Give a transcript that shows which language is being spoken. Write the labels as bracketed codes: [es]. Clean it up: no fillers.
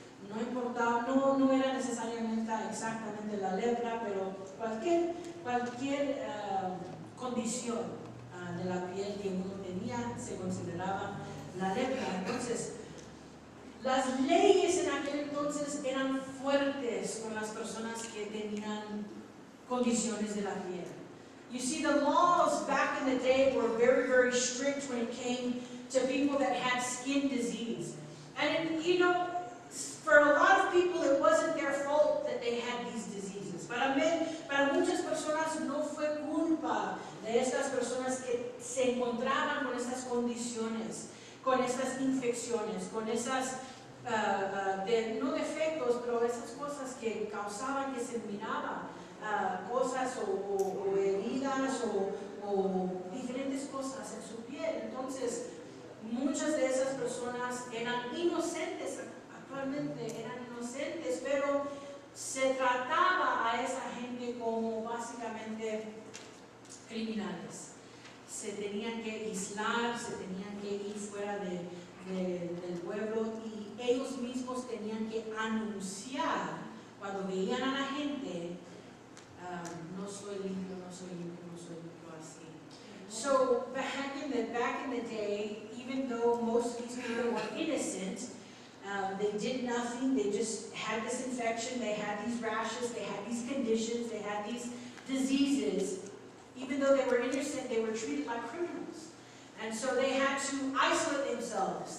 [es] No importaba, no era necesariamente exactamente la lepra, pero cualquier condición de la piel que uno tenía se consideraba la lepra. Entonces, las leyes en aquel entonces eran fuertes con las personas que tenían condiciones de la piel. [en] You see, the laws back in the day were very, very strict when it came to people that had skin disease. And, you know, for a lot of people, it wasn't their fault that they had these diseases. [es] Para muchas personas no fue culpa de estas personas que se encontraban con estas condiciones, con estas infecciones, con esas, no defectos, pero esas cosas que causaban que se miraba cosas o heridas o diferentes cosas en su piel. Entonces, muchas de esas personas eran inocentes. Actualmente eran inocentes, pero se trataba a esa gente como básicamente criminales. Se tenían que aislar, se tenían que ir fuera del pueblo, y ellos mismos tenían que anunciar cuando veían a la gente, no soy limpio, no soy limpio, no soy limpio, así. [en] So back in the day, even though most of these people were innocent, they did nothing, they just had this infection, they had these rashes, they had these conditions, they had these diseases. Even though they were innocent, they were treated like criminals. And so they had to isolate themselves.